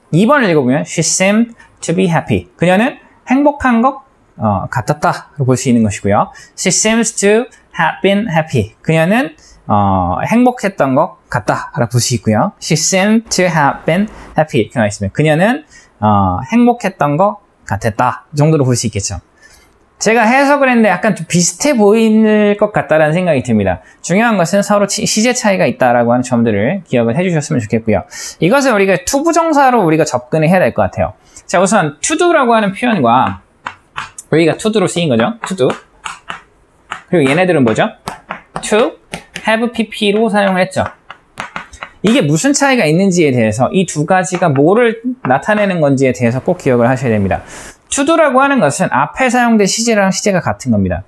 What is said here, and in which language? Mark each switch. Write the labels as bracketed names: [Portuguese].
[Korean] 2번을 읽어보면 [English] She seemed to be happy. [Korean] 그녀는 행복한 것 같았다 볼 수 있는 것이고요. [English] She seems to have been happy. [Korean] 그녀는 행복했던 것 같다 라고 볼 수 있고요. [English] She seemed to have been happy [Korean] 이렇게 나와 있습니다. 그녀는 행복했던 것 같았다 정도로 볼 수 있겠죠. 제가 해석을 했는데 약간 좀 비슷해 보일 것 같다라는 생각이 듭니다. 중요한 것은 서로 시제 차이가 있다라고 하는 점들을 기억을 해주셨으면 좋겠고요. 이것을 우리가 투부정사로 우리가 접근을 해야 될 것 같아요. 자, 우선 to do라고 하는 표현과 우리가 to do로 쓰인 거죠. to do 그리고 얘네들은 뭐죠? to, have pp로 사용했죠. 이게 무슨 차이가 있는지에 대해서 이 두 가지가 뭐를 나타내는 건지에 대해서 꼭 기억을 하셔야 됩니다. to do라고 하는 것은 앞에 사용된 시제랑 시제가 같은 겁니다.